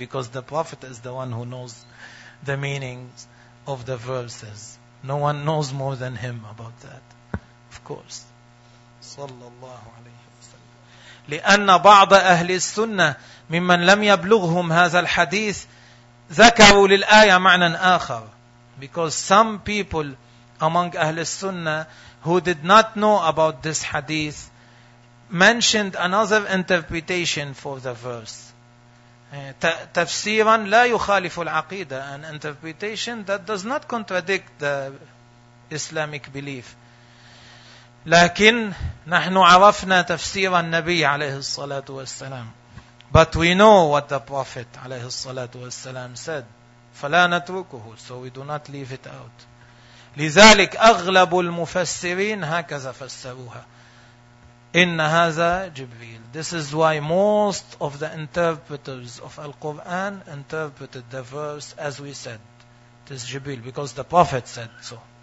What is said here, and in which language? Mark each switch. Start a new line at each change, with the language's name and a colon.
English: Because the Prophet is the one who knows the meanings of the verses. No one knows more than him about that. Of course.
Arabic: صلى الله عليه وسلم. لأن بعض أهل السنة ممن لم يبلغهم هذا الحديث ذكروا للآية معنى آخر.
English: Because some people among أهل السنة who did not know about this hadith mentioned another interpretation for the verse.
Arabic: تفسيرا لا يخالف العقيدة.
English: An interpretation that does not contradict the Islamic belief.
Arabic: لكن نحن عرفنا تفسير النبي عليه الصلاة والسلام.
English: But we know what the Prophet
Arabic: عليه الصلاة والسلام
English: said.
Arabic: فلا نتركه.
English: So we do not leave it out.
Arabic: لذلك أغلب المفسرين هكذا فسروها. إن هذا جبريل.
English: This is why most of the interpreters of Al-Quran interpreted the verse as we said. It is جبريل. Because the Prophet said so.